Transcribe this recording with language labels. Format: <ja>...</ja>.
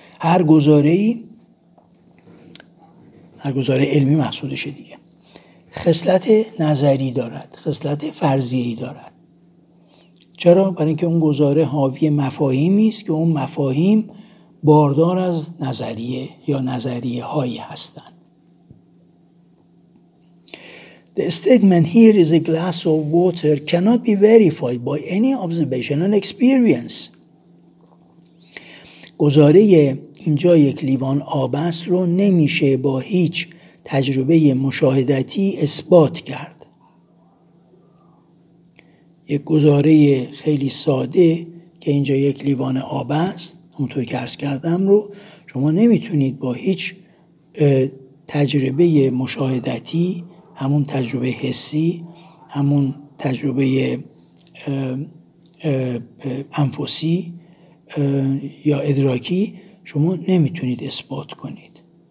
<fa>هر گزاره علمی محسودشه دیگه، خصلت نظری دارد، خصلت فرضیه‌ای دارد. چرا؟ برای اینکه اون گزاره حاوی مفاهیمی است که اون مفاهیم باردار از نظریه یا نظریه هایی هستند.</fa> <en>The statement here is a glass of water cannot be verified by any observation and experience.</en> <fa>گزاره اینجا یک لیوان آب است رو نمیشه با هیچ تجربه مشاهدتی اثبات کرد. یک گزاره خیلی ساده که اینجا یک لیوان آب است، اونطور که عرض کردم، رو شما نمیتونید با هیچ تجربه مشاهدتی، همون تجربه حسی، همون تجربه انفسی یا ادراکی، شما نمیتونید اثبات کنید.</fa>